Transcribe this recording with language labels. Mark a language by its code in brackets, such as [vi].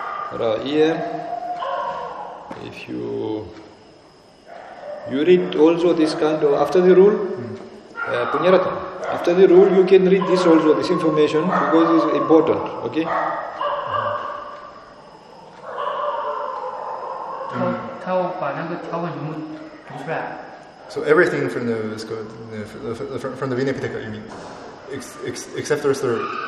[zh] 好了 [en] ，If you read also this kind of after the rule, punyaratam. After the rule, you can read this also this information because it's important. Okay. [zh] 他要把那个条文全部读出来。 [en] So everything from the from the Vinayapitaka, you mean, except the rest of it.